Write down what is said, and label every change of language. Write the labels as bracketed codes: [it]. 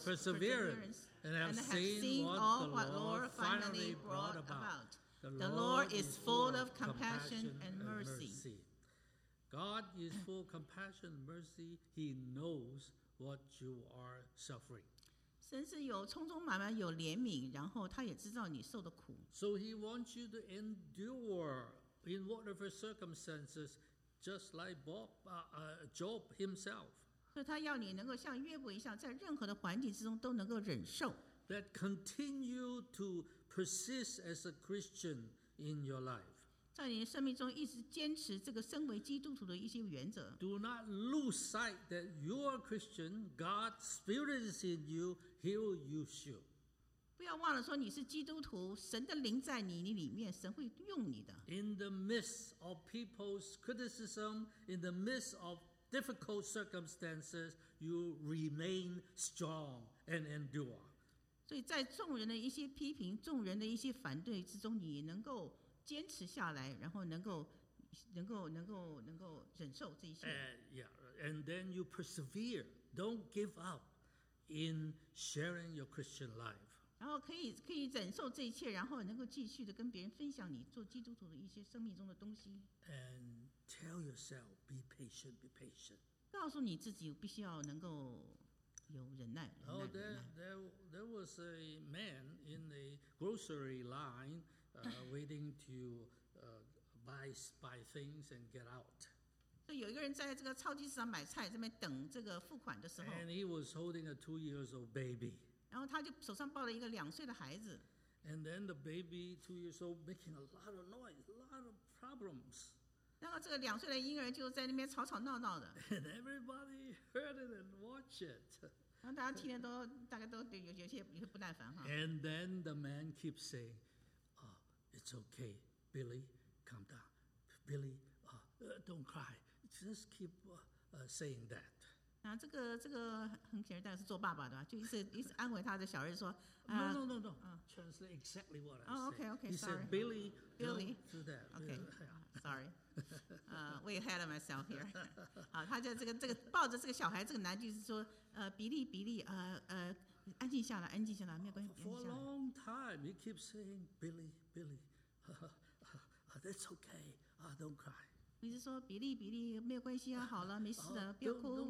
[en] perseverance and have seen all what the Lord finally brought about. The Lord is full of compassion and mercy. God is full of compassion and mercy. He knows what you are suffering. [zh] 神是有充充满满有怜悯，然后他也知道你受的苦。 [en] So he wants you to endure in whatever circumstances, just like Job himself. [zh] 所以他要你能够像约伯一样，在任何的环境之中都能够忍受。 [en] That continue to persist as a Christian in your life. [zh] 在你生命中一直坚持这个身为基督徒的一些原则。 [en] Do not lose sight that you are Christian, God's Spirit is in you, He'll use you. [zh] 不要忘了说你是基督徒，神的灵在你里面，神会用你的。 [en] In the midst of people's criticism, in the midst of difficult circumstances, you remain strong and endure. [zh] 所以在众人的一些批评、众人的一些反对之中，你能够坚持下来，然后能够忍受这一些。 [en] Yeah, and then you persevere. Don't give up in sharing your Christian life. [zh] 然后可以忍受这一切，然后能够继续的跟别人分享你做基督徒的一些生命中的东西。 [en] And tell yourself, be patient, be patient. [zh] 告诉你自己，必须要能够。有忍耐, 忍耐, 忍耐。 [en] Oh, there was a man in the grocery line, waiting to buy things and get out. [zh] 有一个人在这个超级市场买菜，这边等这个付款的时候。 [en] And he was holding a 2-year-old baby. [zh] 然后他就手上抱了一个两岁的孩子。 [en] And then the baby, 2-year-old, making a lot of noise, a lot of problems. [zh] 然后这个两岁的婴儿就在那边吵吵闹闹的。 [en] And everybody heard it and watched it. [zh] 然后大家听的都大概都有些不耐烦哈。 [en] And then the man keeps saying, "Oh, it's okay, Billy, calm down, Billy, don't cry, just keep saying that." [zh] 那这个很显然当然是做爸爸的吧，就一直安慰他的小儿子说。 [en] No. Translate exactly what I said. Oh, okay. He said, "Billy, don't do that." Okay, sorry. way ahead of myself here. [zh] 好，他在这个抱着这个小孩，这个男就是说，比利，安静下来，安静下来，没有关系。 [en] For a long time, he keeps saying, Billy, that's okay, don't cry. [zh] 一直说比利，没有关系啊，好了，没事的，不要哭。